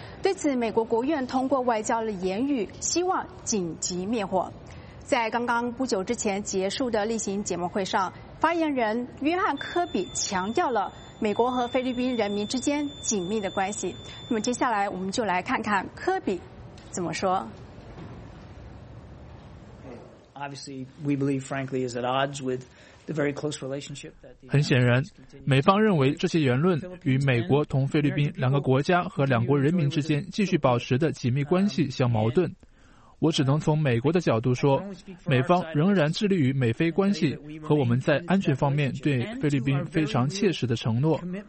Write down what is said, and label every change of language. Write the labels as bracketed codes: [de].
[zh] 对此，美国国务院通过外交的言语，希望紧急灭火。在刚刚不久之前结束的例行节目会上，发言人约翰·科比强调了美国和菲律宾人民之间紧密的关系。那么接下来我们就来看看科比怎么说。 [en] Obviously, we believe, frankly, is at odds with the very close relationship. [zh] 很显然，美方认为这些言论与美国同菲律宾两个国家和两国人民之间继续保持的紧密关系相矛盾。我只能从美国的角度说，美方仍然致力于美菲关系和我们在安全方面对菲律宾非常切实的承诺。